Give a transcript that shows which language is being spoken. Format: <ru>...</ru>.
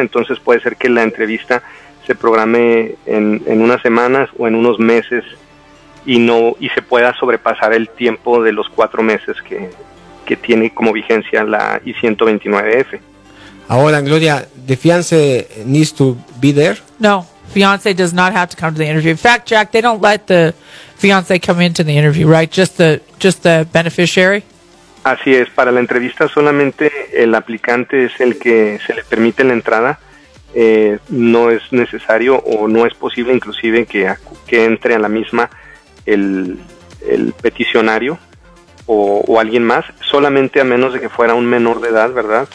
<es>Entonces puede ser que la entrevista se programe en unas semanas o en unos meses y se pueda sobrepasar el tiempo de los 4 meses que tiene como vigencia la I-129F.</es> <en>Ahora, Gloria, ¿the fiancé needs to be there? No, fiancé does not have to come to the interview. In fact, Jack, they don't let the fiancé come into the interview, right? Just the beneficiary?</en> <es>Así es, para la entrevista solamente el aplicante es el que se le permite la entrada. No es necesario o no es posible inclusive que entre a la misma el peticionario o alguien más, solamente a menos de que fuera un menor de edad, ¿verdad?</es>